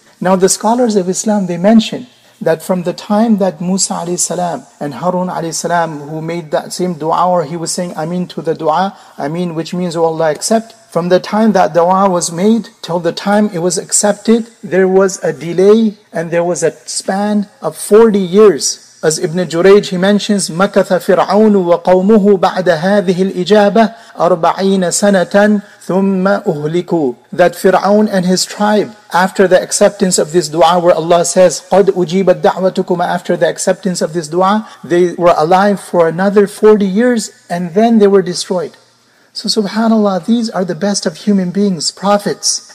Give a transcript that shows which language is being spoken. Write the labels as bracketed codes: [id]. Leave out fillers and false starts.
[en] Now the scholars of Islam, they mention that from the time that Musa alayhi salam and Harun alayhi salam, who made that same dua, or he was saying Ameen to the dua, Ameen, which means, oh Allah, accept. From the time that dua was made till the time it was accepted, there was a delay and there was a span of 40 years. As Ibn Jurayj, he mentions, [ar] مَكَثَ فِرْعَوْنُ وَقَوْمُهُ بَعْدَ هَذِهِ الْإِجَابَةِ 40 سَنَةً ثُمَّ أُهْلِكُوا. [en] That Fir'aun and his tribe, after the acceptance of this dua, where Allah says, [ar] قَدْ أُجِيبَتْ دَعْوَتُكُمْ, [en] after the acceptance of this dua, they were alive for another 40 years, and then they were destroyed. So subhanAllah, these are the best of human beings, prophets.